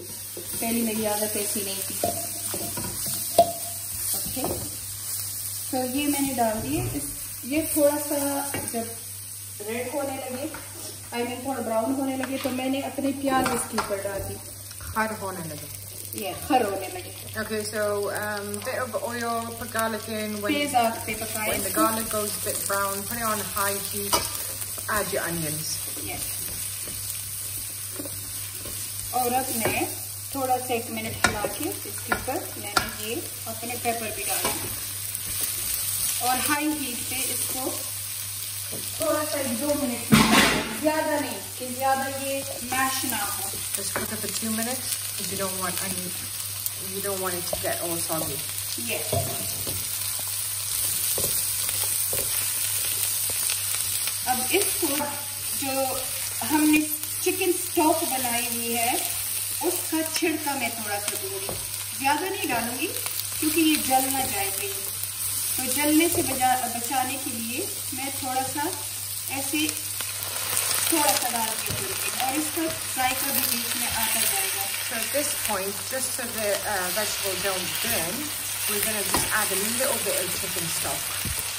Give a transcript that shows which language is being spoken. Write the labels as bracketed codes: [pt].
[hi] पहली मेरी आदत ऐसी नहीं थी. तो ये मैंने डाल दिए. ये थोड़ा सा जब रेड होने लगे, [en] I mean [hi] थोड़ा ब्राउन होने लगे, तो मैंने अपने प्याज इसके ऊपर डाल दी. हर होने लगे. [en] Okay, so bit of oil, put garlic in. When the garlic goes a bit brown, put it on high heat. Add your onions. Yes. [hi] और अब मैं थोड़ा सा एक मिनट हिला के इसके ऊपर मैंने ये अपने पेपर भी डाले और हाई हीट पे इसको थोड़ा सा एक दो मिनट ज्यादा नहीं कि ज्यादा ये मैश ना हो. [en] Just cook it for 2 minutes because you don't want any, you don't want it to get all soggy. Yes. [hi] अब इसको जो हमने चिकन स्टॉक बनाई हुई है उसका छिड़का मैं थोड़ा सा दूंगी, ज्यादा नहीं डालूंगी क्योंकि ये जल ना जाएगी. तो जलने से बचाने के लिए मैं थोड़ा सा ऐसे थोड़ा सा डाल के दूंगी और इसको फ्राई कर भी बीच में आता जाएगा. [en] So at this point, just so the vegetable don't burn, we're going to just add a little bit of chicken stock.